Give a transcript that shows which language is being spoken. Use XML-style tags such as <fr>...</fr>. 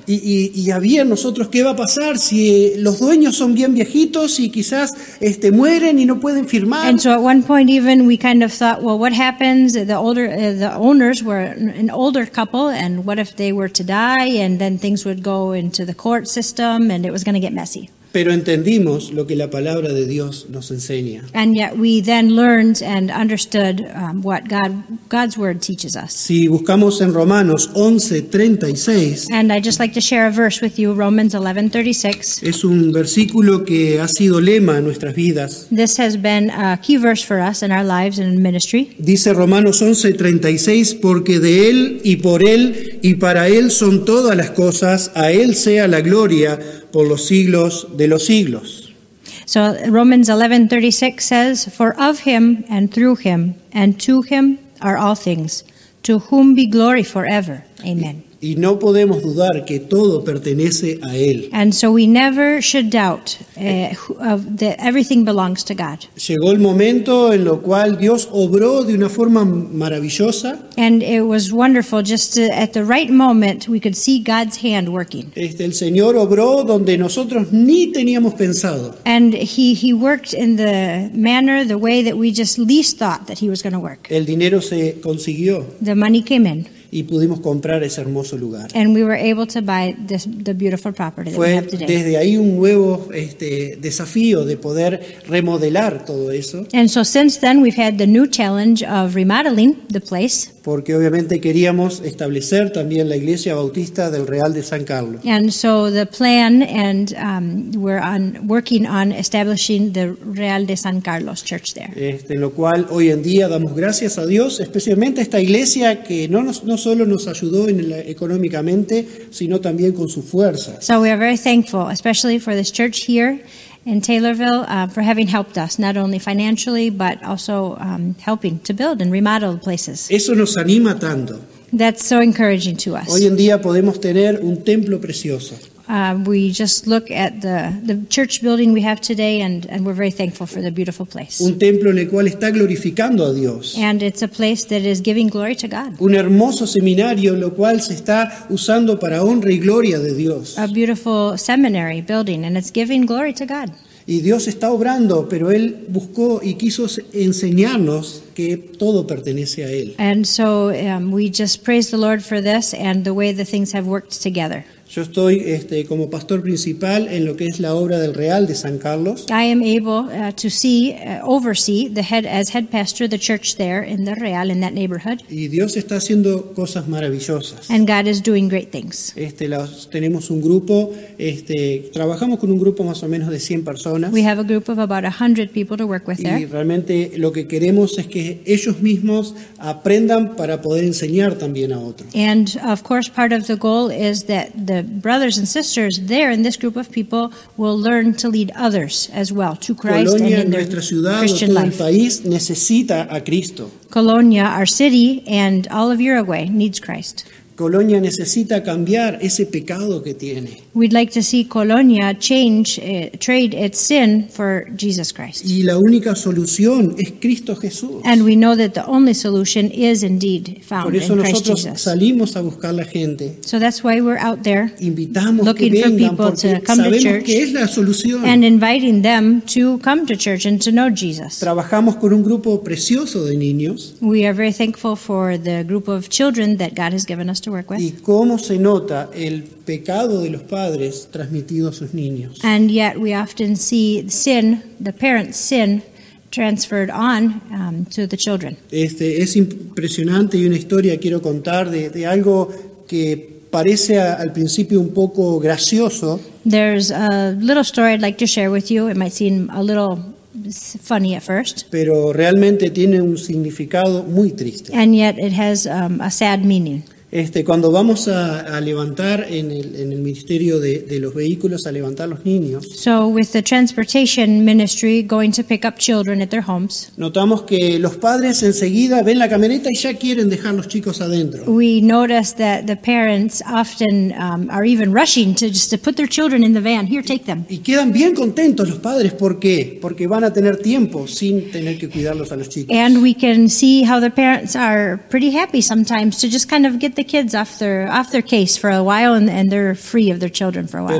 <es>Y había nosotros, ¿qué va a pasar si los dueños son bien viejitos y quizás mueren y no pueden firmar?</es> <en>And so at one point even we kind of thought, well, what happens? The owners were an older couple, and what if they were to die, and then things would go into the court system and it was going to get messy.</en> <es>Pero entendimos lo que la palabra de Dios nos enseña.</es> <en>And yet we then learned and understood what God's word teaches us.</en> <es>Si buscamos en Romanos 11:36.</es> <en>And I'd just like to share a verse with you, Romans 11:36.</en> <es>Es un versículo que ha sido lema en nuestras vidas.</es> <en>This has been a key verse for us in our lives and in ministry.</en> <es>Dice Romanos 11:36, porque de él y por él y para él son todas las cosas, a él sea la gloria por los siglos de los siglos.</es> <en>So Romans 11:36 says, for of him and through him and to him are all things, to whom be glory forever. Amen.</en> <es>Y no podemos dudar que todo pertenece a Él.</es> <en>And so we never should doubt that everything belongs to God.</en> <es>Llegó el momento en lo cual Dios obró de una forma maravillosa.</es> <en>And it was wonderful, just at the right moment we could see God's hand working.</en> <es>El Señor obró donde nosotros ni teníamos pensado.</es> <en>And he worked in the manner, the way that we just least thought that he was going to work.</en> <es>El dinero se consiguió.</es> <en>The money came in.</en> <es>Y pudimos comprar ese hermoso lugar.</es> <en>And we were able to buy this, the beautiful property</en> <es>Fue</es> <en>that we have today.</en> <es>Desde ahí un nuevo desafío de poder remodelar todo eso.</es> <en>And so since then we've had the new challenge of remodeling the place.</en> <es>Porque obviamente queríamos establecer también la Iglesia Bautista del Real de San Carlos.</es> <en>And so the plan and we're on working on establishing the Real de San Carlos church there.</en> <es>En lo cual hoy en día damos gracias a Dios, especialmente a esta iglesia que no solo nos ayudó económicamente, sino también con su fuerza.</es> <en>So we are very thankful, especially for this church here in Taylorville, for having helped us, not only financially, but also helping to build and remodel places.</en> <es>Eso nos anima tanto.</es> <en>That's so encouraging to us.</en> <es>Hoy en día podemos tener un templo precioso.</es> <en>We just look at the church building we have today and we're very thankful for the beautiful place.</en> <es>Un templo en el cual está glorificando a Dios.</es> <en>And it's a place that is giving glory to God.</en> <es>Un hermoso seminario lo cual se está usando para honra y gloria de Dios.</es> <en>A beautiful seminary building and it's giving glory to God.</en> <es>Y Dios está obrando, pero Él buscó y quiso enseñarnos que todo pertenece a Él.</es> <en>And so we just praise the Lord for this and the way the things have worked together.</en> <es>Yo estoy como pastor principal en lo que es la obra del Real de San Carlos.</es> <en>I am able to see oversee the head as head pastor the church there in the Real in that neighborhood.</en> <es>Y Dios está haciendo cosas maravillosas.</es> <en>And God is doing great things.</en> <es>Tenemos un grupo trabajamos con un grupo más o menos de 100 personas.</es> <en>We have a group of about 100 people to work with there.</en> <es>Y realmente lo que queremos es que ellos mismos aprendan para poder enseñar también a otros.</es> <en>And of course part of the goal is that the brothers and sisters there in this group of people will learn to lead others as well to Christ</en> <es>Colonia,</es> <en>and in their</en> <es>ciudad,</es> <en>Christian life.</en> <es>País necesita a Cristo.</es> <en>Colonia, our city, and all of Uruguay needs Christ.</en> <es>Colonia necesita cambiar ese pecado que tiene.</es> <en>We'd like to see Colonia change, trade its sin for Jesus Christ.</en> <es>Y la única solución es Cristo Jesús.</es> <en>And we know that the only solution is indeed found in Christ Jesus.</en> <es>Por eso nosotros salimos a buscar la gente.</es> <en>So that's why we're out there</en> <es>invitamos</es> <en>looking</en> <es>que vengan,</es> <en>for people to come to church.</en> <es>Sabemos que es la solución.</es> <en>And inviting them to come to church and to know Jesus.</en> <es>Trabajamos con un grupo precioso de niños.</es> <en>We are very thankful for the group of children that God has given us to work with.</en> <es>Y cómo se nota el pecado de los padres transmitido a sus niños.</es> <en>And yet we often see sin, the parents' sin, transferred on to the children.</en> <es>Es impresionante y una historia quiero contar de algo que parece al principio un poco gracioso.</es> <en>There's a little story I'd like to share with you. It might seem a little funny at first.</en> <es>Pero realmente tiene un significado muy triste.</es> <en>And yet it has a sad meaning.</en> <es>Cuando vamos a levantar en el ministerio de los vehículos a levantar los niños.</es> <en>So with the transportation ministry going to pick up children at their homes.</en> <es>Notamos que los padres enseguida ven la camioneta y ya quieren dejar los chicos adentro.</es> <en>We notice that the parents often are even rushing to just to put their children in the van. Here, take them.</en> <es>Y quedan bien contentos los padres, ¿por qué? Porque van a tener tiempo sin tener que cuidarlos a los chicos.</es> <en>And we can see how the parents are pretty happy sometimes to just kind of get the kids off their case for a while and they're free of their children for a while.</en>